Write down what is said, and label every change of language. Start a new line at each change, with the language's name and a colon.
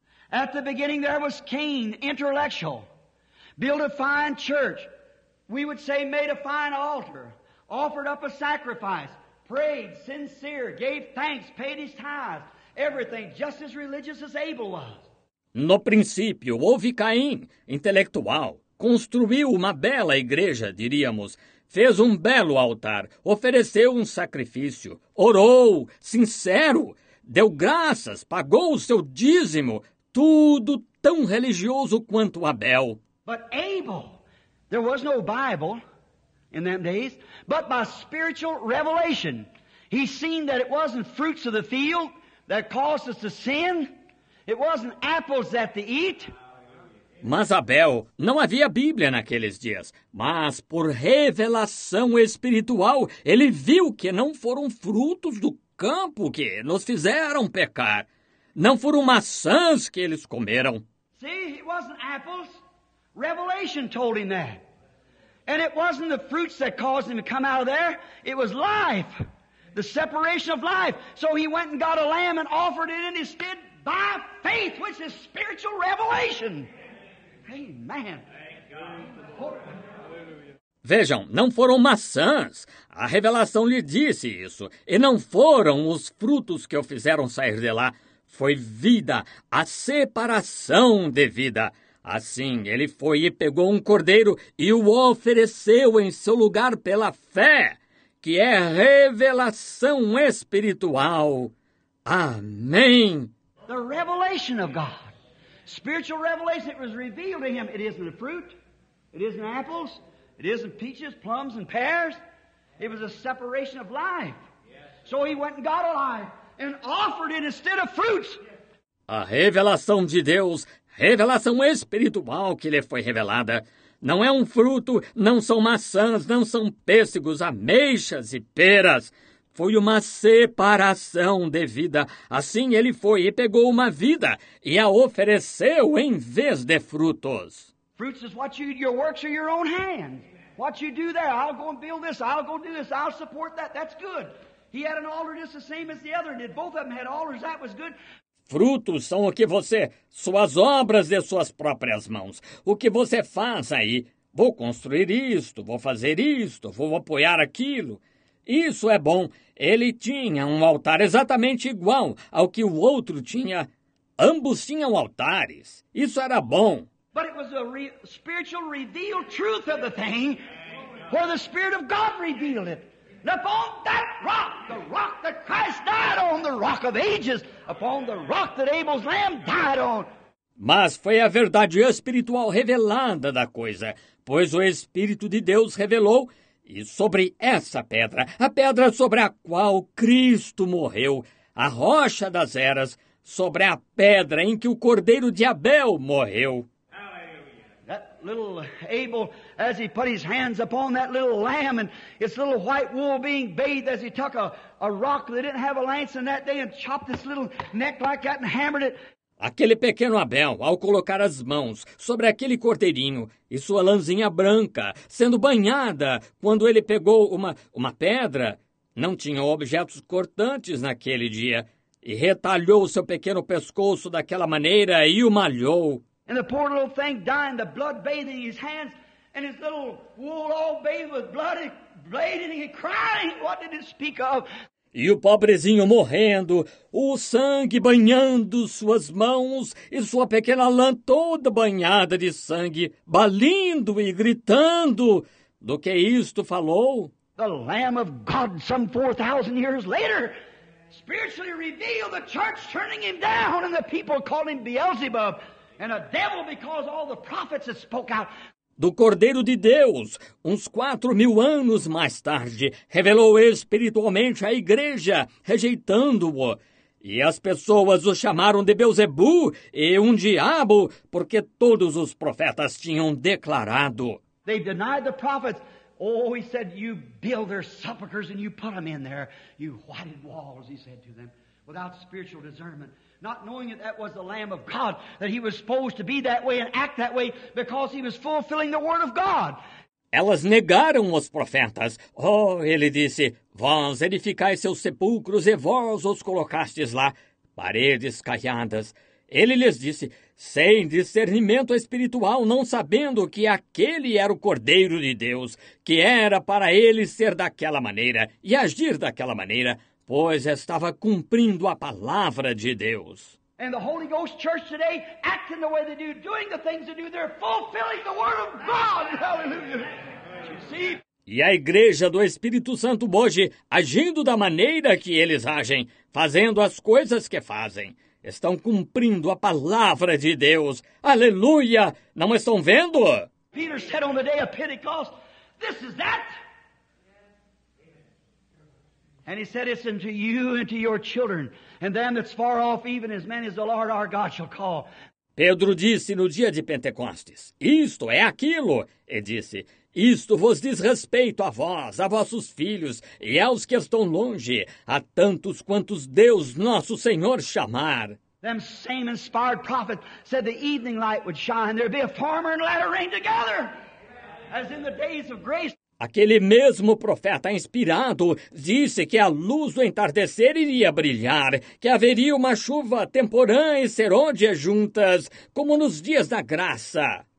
English: At the beginning there was Cain, intellectual, built a fine church. We would say made a fine altar, offered up a sacrifice, prayed sincere, gave thanks, paid his tithes, everything just as religious as Abel was.
Portuguese: No princípio, houve Caim, intelectual, construiu uma bela igreja, diríamos, fez um belo altar, ofereceu um sacrifício, orou, sincero, deu graças, pagou o seu dízimo, tudo tão religioso quanto Abel.
English: But Abel, there was no Bible in them days, but by spiritual revelation, he seen that it wasn't fruits of the field that caused us to sin. It wasn't apples that they eat.
Portuguese: Mas Abel, não havia Bíblia naqueles dias, mas por revelação espiritual, ele viu que não foram frutos do campo que nos fizeram pecar. Não foram maçãs que eles comeram.
English: See, it wasn't apples. Revelation told him that. And it wasn't the fruits that caused him to come out of there. It was life. The separation of life. So he went and got a lamb and offered it in his stead. By faith, which is spiritual revelation. Amen.
Portuguese: Vejam, não foram maçãs. A revelação lhe disse isso. E não foram os frutos que o fizeram sair de lá. Foi vida, a separação de vida. Assim, ele foi e pegou um cordeiro e o ofereceu em seu lugar pela fé, que é revelação espiritual. Amém.
English: The revelation of God. Spiritual revelation, it was revealed to him. It isn't a fruit. It isn't apples. It isn't peaches, plums, and pears. It was a separation of life. So he went and got alive and offered it instead of fruits.
Portuguese: A revelação de Deus, revelação espiritual que lhe foi revelada, não é um fruto, não são maçãs, não são pêssegos, ameixas e peras. Foi uma separação de vida. Assim ele foi e pegou uma vida e a ofereceu em vez de frutos.
English: Fruits is what you, your works are your own hands. What you do there, I'll go and build this, I'll go do this, I'll support that, that's good. He had an altar just the same as the other, and both of them had altars, that was good.
Portuguese: Frutos são o que você, suas obras de suas próprias mãos. O que você faz aí, vou construir isto, vou fazer isto, vou apoiar aquilo. Isso é bom. Ele tinha um altar exatamente igual ao que o outro tinha. Ambos tinham altares. Isso era bom.
English: But it was a spiritual revealed truth of the thing, where the Spirit of God revealed it. And upon that rock, the rock that Christ died on, the rock of ages, upon the rock that Abel's lamb died on.
Portuguese: Mas foi a verdade espiritual revelada da coisa, pois o Espírito de Deus revelou. E sobre essa pedra, a pedra sobre a qual Cristo morreu, a rocha das eras, sobre a pedra em que o cordeiro de Abel morreu.
English: That little Abel, as he put his hands upon that little lamb and its little white wool being bathed, as he took a rock that didn't have a lance in that day and chopped its little neck like that and hammered it.
Portuguese: Aquele pequeno Abel, ao colocar as mãos sobre aquele cordeirinho e sua lãzinha branca, sendo banhada quando ele pegou uma pedra, não tinha objetos cortantes naquele dia, e retalhou seu pequeno pescoço daquela maneira e o malhou.
English: And the poor little thing dying, the blood bathing his hands, and his little wool all bathed with blood, bleeding and crying, what did it speak of?
Portuguese: E o pobrezinho morrendo, o sangue banhando suas mãos e sua pequena lã toda banhada de sangue, balindo e gritando. Do que isto falou?
English: The Lamb of God, some 4,000 years later, spiritually revealed the church turning him down and the people calling Beelzebub. And the devil, because all the prophets had spoke out.
Portuguese: Do Cordeiro de Deus, uns 4,000 anos mais tarde, revelou espiritualmente a igreja, rejeitando-o. E as pessoas o chamaram de Beelzebu e um diabo, porque todos os profetas tinham declarado.
English: They denied the prophets. Oh, he said, you build their sepulchers and you put them in there. You whited walls, he said to them, without spiritual discernment. Not knowing that that was the Lamb of God, that he was supposed to be that way and act that way because he was fulfilling the word of God.
Portuguese: Elas negaram os profetas. Oh, ele disse, vós edificais seus sepulcros e vós os colocastes lá, paredes caiadas. Ele lhes disse, sem discernimento espiritual, não sabendo que aquele era o Cordeiro de Deus, que era para ele ser daquela maneira e agir daquela maneira, pois estava cumprindo a palavra de Deus.
English: And the Holy Ghost Church today, acting the way they do, doing the things they do, they're fulfilling the word of God. Hallelujah. You see?
Portuguese: E a igreja do Espírito Santo hoje, agindo da maneira que eles agem, fazendo as coisas que fazem, estão cumprindo a palavra de Deus. Aleluia! Não estão vendo?
English: Peter said on the day of Pentecost, this is that. And he said, it's unto you and to your children, and them that's far off, even as many as the Lord our God shall call.
Portuguese: Pedro disse no dia de Pentecostes, isto é aquilo. E disse, isto vos diz respeito a vós, a vossos filhos e aos que estão longe, a tantos quantos Deus nosso Senhor chamar.
English: Them same inspired prophets said the evening light would shine, there'd be a former and latter rain together, as in the days of grace.
Portuguese: Aquele mesmo profeta inspirado disse que a luz do entardecer iria brilhar, que haveria uma chuva temporã e serôdia juntas, como nos dias da graça.